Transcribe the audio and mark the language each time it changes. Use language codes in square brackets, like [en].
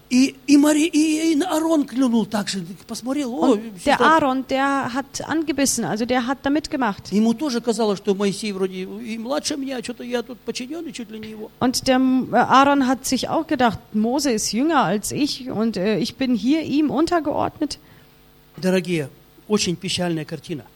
[ru] И Аарон клюнул так же, посмотрел, о, [de] der Aaron, der hat angebissen, also der hat da mitgemacht. [ru] Ему тоже казалось, что Моисей вроде и младше меня, что-то я тут подчиненный чуть ли не его. [de] Und der Aaron hat sich auch gedacht, Mose ist jünger als ich und ich bin hier ihm untergeordnet. [ru] Дорогие, очень печальная картина.